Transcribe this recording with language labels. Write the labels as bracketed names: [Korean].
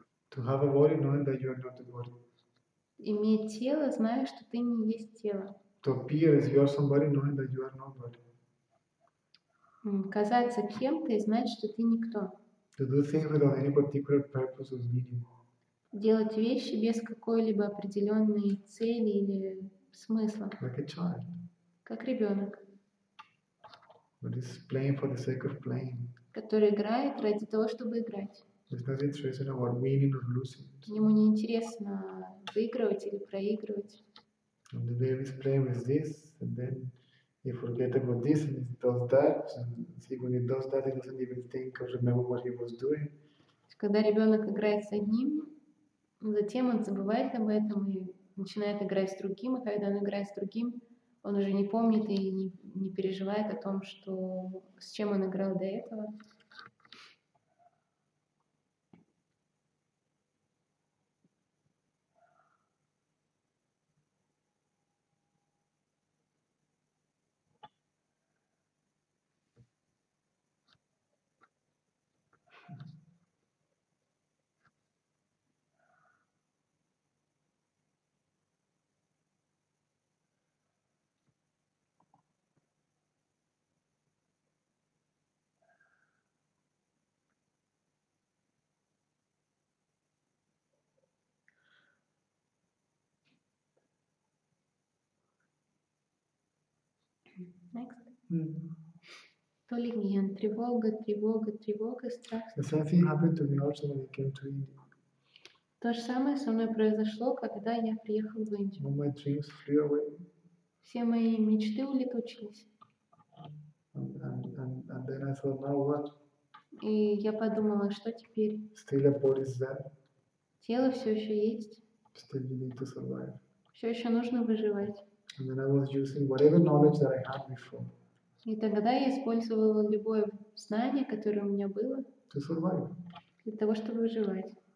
[English] To have a body knowing that you are not the body. [Russian] Иметь тело, зная, что ты не есть тело. [English] To appear as you are somebody, knowing that you are nobody. [Russian] Казаться кем-то и знать, что ты никто. [English] To do things without any particular purpose or meaning. [Russian] Делать вещи без какой-либо определенной цели или смысла. [English] Like a child. [Russian] Как ребенок. [English] But it's playing for the sake of playing. [Russian] Который играет ради того, чтобы играть. [English] It's not interesting about winning or losing. [Russian] Ему не интересно выигрывать или проигрывать. [English] And the way we play with this, and then You forget about this and it does that, and see when it does that, he doesn't even think or remember what he was doing. [Russian] Когда ребенок играет с одним, затем он забывает об этом и начинает играть с другим, и когда он играет с другим, он уже не помнит и не переживает о том, что с чем он играл до этого. [English] Next. [Russian] То ли гнев, тревога, тревога, тревога, страх. [English] The same thing happened to me also when I came to India. [Russian] То же самое со мной произошло, когда я приехал в Индию. [English] All my dreams flew away. [Russian] Все мои мечты улетучились. [English] And then I thought, now what? [Russian] И я подумала, что теперь? [English] Still a body is there. [Russian] Тело все еще есть. [English] Still you need to survive. [Russian] Все еще нужно выживать. [English] And then I was using whatever knowledge that I had before. [Russian] И тогда я использовала любое знание, которое у меня было, [English] to survive. [Russian] Для того, чтобы выживать.